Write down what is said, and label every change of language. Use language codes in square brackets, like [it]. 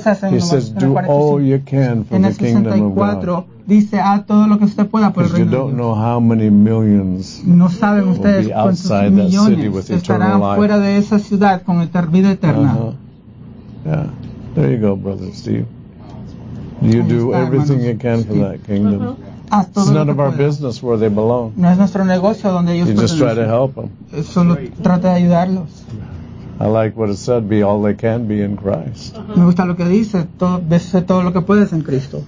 [en] He says, do all you can for the kingdom of God. [es] Dice a todo lo que usted pueda por el reino [en] you don't know how many millions [es] no saben ustedes cuántos millones estarán fuera de esa ciudad con vida eterna. [en] Yeah. There you go, Brother Steve. You do everything you can for that kingdom. It's none of our business where they belong. [es] No es nuestro negocio donde ellos [en] you just try to help them. [es] Solo trata de ayudarlos. [en] I like what it said, be all they can be in Christ. [es] Me gusta lo que dice, sé todo lo que puedes en Cristo.